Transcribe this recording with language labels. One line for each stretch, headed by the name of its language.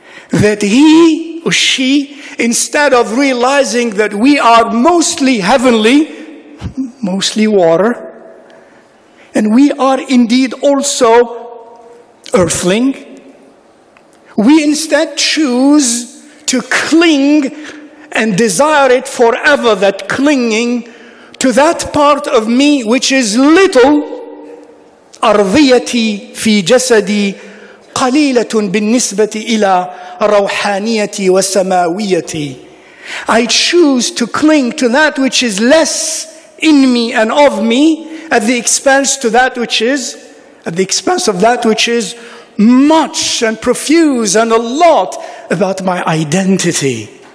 English: That he or she, instead of realizing that we are mostly heavenly, mostly water, and we are indeed also earthling, we instead choose to cling and desire it forever, that clinging to that part of me which is little.
Arabic: أرضيتي في جسدي قليلة بالنسبة إلى روحانيتي وسماويتي.
English: I choose to cling to that which is less in me and of me at the expense to that which is, at the expense of that which is much and profuse and a lot about my identity.